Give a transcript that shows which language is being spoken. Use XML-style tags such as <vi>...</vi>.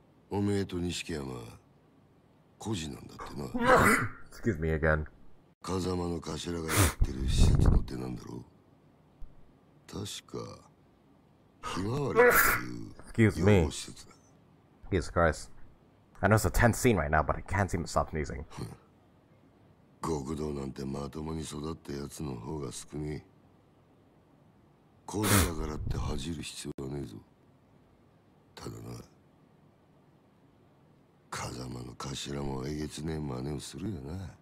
<ja>おめえと錦山は孤児なんだってな。</ja> <en>Excuse me again.</en> <ja>風間の頭が言ってる施設の手なんだろう。確か、ひまわりっていう養護施設だ。</ja> <en>Jesus Christ. I know it's a tense scene right now, but I can't seem to stop sneezing.</en> <ja>極道なんてまともに育ったやつの方が少ねえ。孤児だからって恥じる必要はねえぞ。ただな、風間の頭もえげつねえ真似をするよな。</ja>